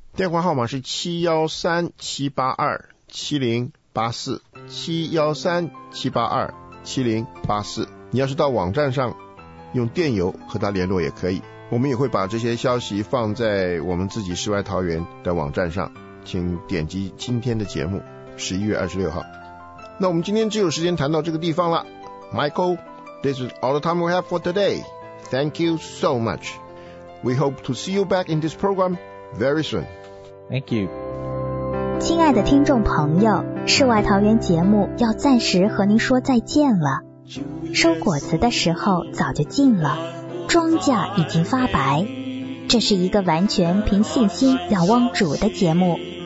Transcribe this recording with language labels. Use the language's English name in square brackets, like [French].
[Chinese] 电话号码是713-782-7084 713-782-7084，你要是到网站上用电邮和他联络也可以，我们也会把这些消息放在我们自己世外桃源的网站上，请点击今天的节目11月26号。那我们今天只有时间谈到这个地方了。 [English] Michael, this is all the time we have for today. Thank you so much. We hope to see you back in this program very soon Thank you. [Chinese] 亲爱的听众朋友，世外桃源节目要暂时和您说再见了。收果子的时候早就尽了，庄稼已经发白，这是一个完全凭信心仰望主的节目。